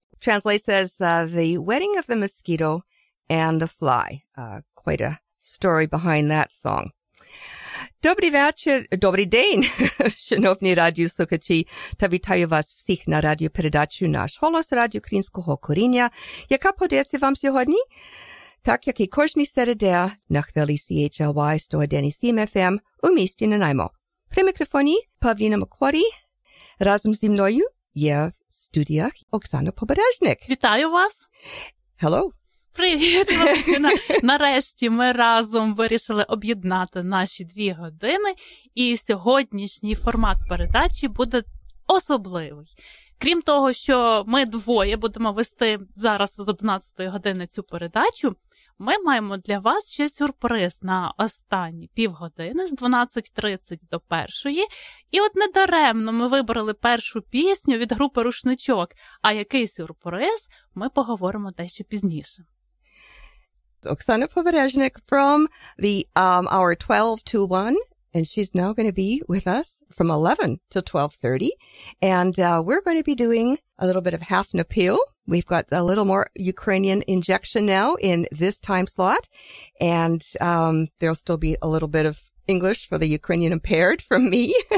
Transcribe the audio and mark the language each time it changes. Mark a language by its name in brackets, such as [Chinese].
[English] Translates as The Wedding of the Mosquito and the Fly. Quite a story behind that song. [Ukrainian] Dobry večer, dobry день, шановні радіослухачі, та вітаю вас всіх на радіопередачу «Наш голос» радіо Українського коріння, яка подається вам сьогодні, так як і кожні середи на хвилі CHLY 101.7 FM у місті Нанаймо. При мікрофоні Павліна Макварі, разом зі мною є в студіях Оксана Побережник. Вітаю вас! [English] Hello! [Ukrainian] Привіт, Павліна! Нарешті ми разом вирішили об'єднати наші дві години, і сьогоднішній формат передачі буде особливий. Крім того, що ми двоє будемо вести зараз з 11-ї години цю передачу, ми маємо для вас ще сюрприз на останні півгодини з 12.30 до 1:00. І от недаремно ми вибрали першу пісню від групи «Рушничок», а який сюрприз, ми поговоримо дещо пізніше. [English] Оксана Побережник from the hour 12 to 1, and she's now going to be with us from 11 to 12:30, and we're going to be doing a little bit of Hafnapil. We've got a little more Ukrainian injection now in this time slot, and there'll still be a little bit of English for the Ukrainian impaired from me.